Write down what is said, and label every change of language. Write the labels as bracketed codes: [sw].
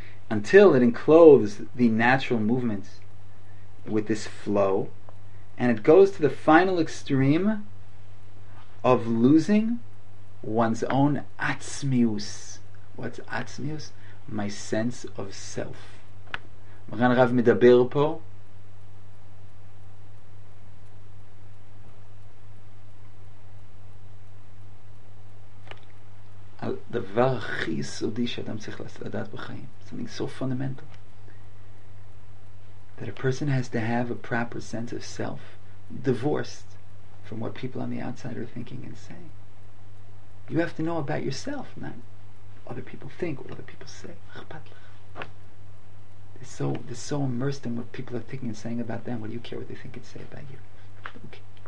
[en] until it encloses the natural movements with this flow, and it goes to the final extreme of losing one's own atzmius. What's atzmius? My sense of self. [he] Magan Rav medaber po על הדבר הכי יסודי שאדם צריך לדעת בחיים. [en] Something so fundamental. That a person has to have a proper sense of self, divorced from what people on the outside are thinking and saying. You have to know about yourself, not what other people think, what other people say. They're so immersed in what people are thinking and saying about them. What do you care what they think and say about you? Okay.